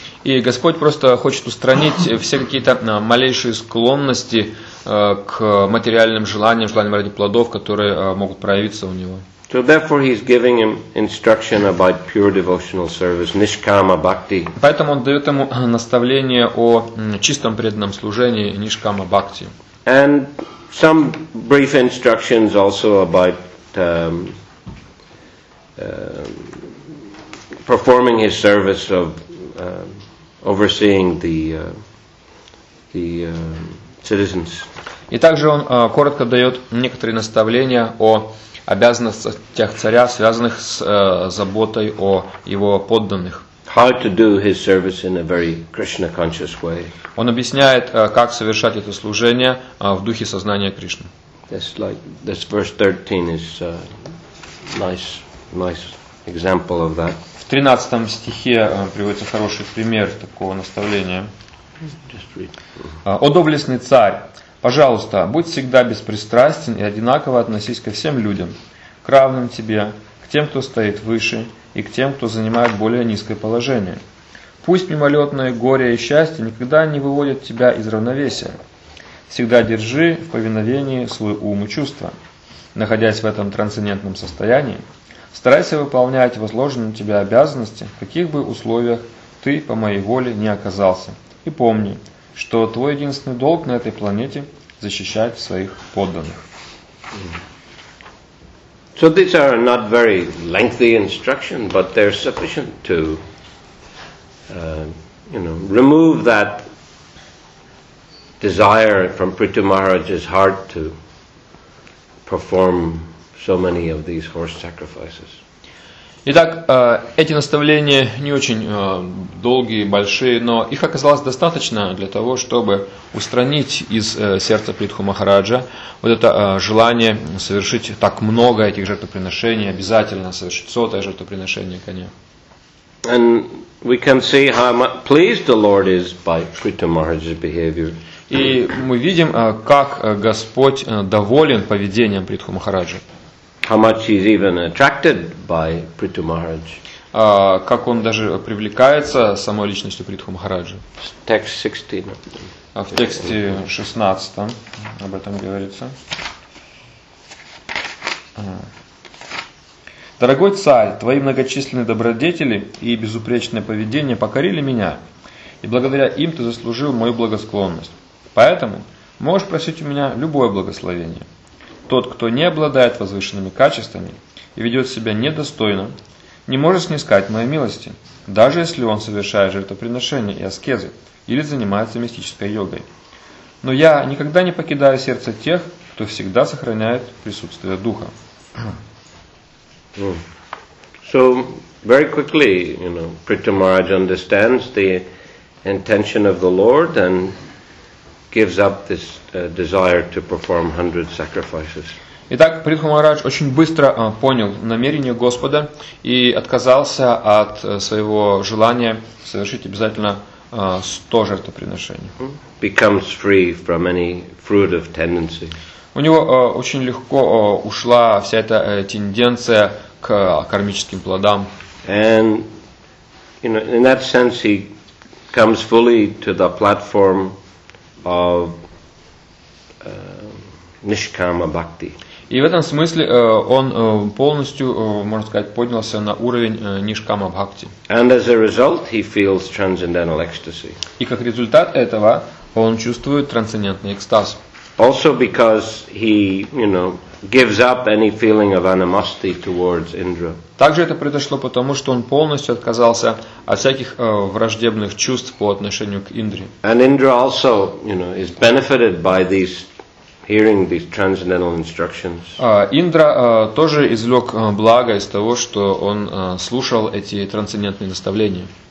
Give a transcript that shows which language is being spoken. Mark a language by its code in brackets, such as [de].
[ru] И Господь просто хочет устранить все какие-то малейшие склонности к материальным желаниям, желаниям ради плодов, которые могут проявиться у него. [en] So therefore he's giving him instruction about pure devotional service, nishkama bhakti. [ru] Поэтому он дает ему наставление о чистом преданном служении, нишкама бхакти. [en] And some brief instructions also about performing his service of overseeing the citizens. [ru] И также он коротко дает некоторые наставления о обязанностях царя, связанных с заботой о его подданных. [en] How to do his service in a very Krishna conscious way. [ru] Он объясняет, как совершать это служение в духе сознания Кришны. [en] This like this verse 13 is a nice example of that. [ru] В 13 стихе приводится хороший пример такого наставления. О доблестный царь, пожалуйста, будь всегда беспристрастен и одинаково относись ко всем людям, к равным тебе, к тем, кто стоит выше, и к тем, кто занимает более низкое положение. Пусть мимолетное горе и счастье никогда не выводят тебя из равновесия. Всегда держи в повиновении свой ум и чувства. находясь в этом трансцендентном состоянии, старайся выполнять возложенные на тебя обязанности, в каких бы условиях ты по моей воле не оказался. И помни, что твой единственный долг на этой планете – защищать своих подданных. [en] So these are not very lengthy instructions, but they're sufficient to, you know, remove that desire from Prithu Maharaj's heart to perform so many of these horse sacrifices. [ru] Итак, эти наставления не очень долгие, большие, но их оказалось достаточно для того, чтобы устранить из сердца Притху Махараджа вот это желание совершить так много этих жертвоприношений, обязательно совершить сотое жертвоприношение коня. [en] And we can see how pleased the Lord is by Prithu Maharaja's behavior. [ru] И мы видим, как Господь доволен поведением Притху Махараджа. [en] How much he's even attracted by Prithu Maharaj. [ru] Как он даже привлекается самой личностью Притху Махараджи. [en] Text 16. [ru] В тексте 16 об этом говорится. Дорогой царь, твои многочисленные добродетели и безупречное поведение покорили меня, и благодаря им ты заслужил мою благосклонность. Поэтому можешь просить у меня любое благословение. Тот, кто не обладает возвышенными качествами и ведет себя недостойно, не может снискать моей милости, даже если он совершает жертвоприношения и аскезы или занимается мистической йогой. Но я никогда не покидаю сердце тех, кто всегда сохраняет присутствие духа. [en] So very quickly, you know, Prithu Maharaj understands the intention of the Lord and gives up this desire to perform 100 sacrifices. [ru] Итак, Притху Махарадж очень быстро понял намерение Господа и отказался от своего желания совершить обязательно 100 жертвоприношений. [en] Becomes free from any fruit of tendency. [ru] У него очень легко ушла вся эта тенденция к кармическим плодам. [en] And you know, in that sense he comes fully to the platform of nishkama bhakti. [ru] И в этом смысле он полностью, можно сказать, поднялся на уровень нишкама бхакти. [en] And as a result, he feels transcendental ecstasy. [ru] И как результат этого, он чувствует трансцендентный экстаз. [en] Also because he, you know, gives up any feeling of animosity towards Indra. [ru] Также это произошло потому, что он полностью отказался от всяких враждебных чувств по отношению к Индре. [en] And Indra also, you know, is benefited by these hearing these transcendental instructions. [ru] Индра тоже извлек благо из того, что он слушал эти трансцендентные наставления.